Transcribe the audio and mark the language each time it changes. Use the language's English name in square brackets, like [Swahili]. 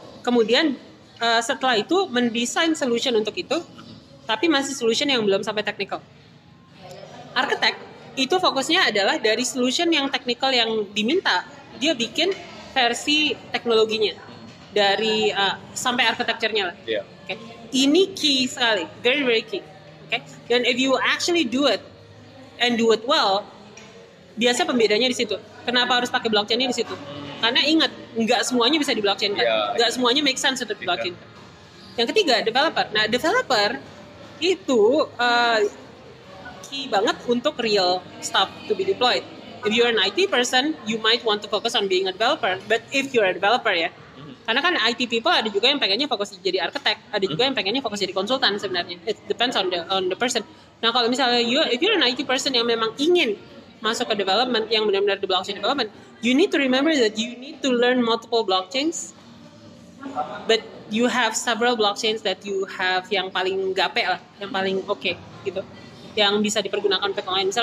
[Indonesian] Kemudian setelah itu mendesain solution untuk itu, tapi masih solution yang belum sampai technical. Architect itu fokusnya adalah dari solution yang technical yang diminta, dia bikin versi teknologinya dari sampai arsitekturnya lah. Okay. Ini key sekali, [English] very very key. Okay. [Indonesian] Dan [English] if you actually do it and do it well, [Indonesian] biasanya pembedanya di situ. Kenapa harus pakai blockchain-nya di situ? Karena ingat, nggak semuanya bisa di blockchain kan? Nggak semuanya make sense untuk di blockchain. Yang ketiga, developer. Nah, [English] developer [Indonesian] itu key banget untuk [English] real stuff to be deployed. If you're an IT person, you might want to focus on being a developer. But if you're a developer [Indonesian] ya. Karena kan IT people ada juga yang pengennya fokus jadi arsitek, ada juga yang pengennya fokus jadi konsultan sebenarnya. [English] It depends on the person. [Indonesian] Nah kalau misalnya [English] if you're an IT person [Indonesian] yang memang ingin masuk ke development, yang benar-benar di blockchain development, [English] you need to remember that you need to learn multiple blockchains, but you have several blockchains that you have [Indonesian] yang paling gape lah, yang paling okay gitu, yang bisa dipergunakan untuk lain.